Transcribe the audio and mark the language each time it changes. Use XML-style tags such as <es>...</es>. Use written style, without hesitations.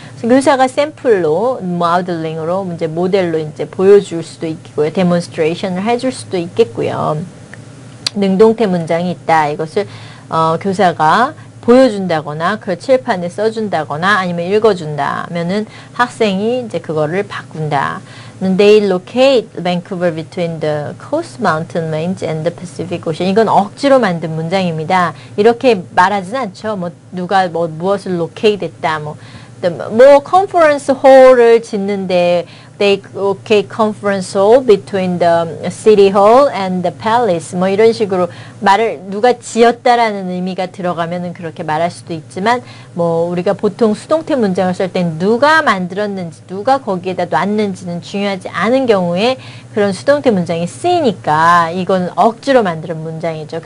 <ko>그래서 교사가 샘플로 모델링으로 이제 모델로 이제 보여줄 수도 있고요. 데몬스트레이션을 해줄 수도 있겠고요. 능동태 문장이 있다. 이것을 교사가 보여준다거나 그 칠판에 써준다거나 아니면 읽어준다면은 학생이 이제 그거를 바꾼다.</ko> <en>And they locate Vancouver between the Coast Mountain Range and the Pacific Ocean.</en> <ko>이건 억지로 만든 문장입니다. 이렇게 말하진 않죠. 뭐 누가 뭐 무엇을 locate 했다. 뭐 conference hall을 짓는데</ko> <en>they locate conference hall between the city hall and the palace.</en> <ko>뭐 이런 식으로 말을 누가 지었다라는 의미가 들어가면은 그렇게 말할 수도 있지만 뭐 우리가 보통 수동태 문장을 쓸 땐 누가 만들었는지 누가 거기에다 놨는지는 중요하지 않은 경우에 그런 수동태 문장이 쓰이니까 이건 억지로 만든 문장이죠.</ko>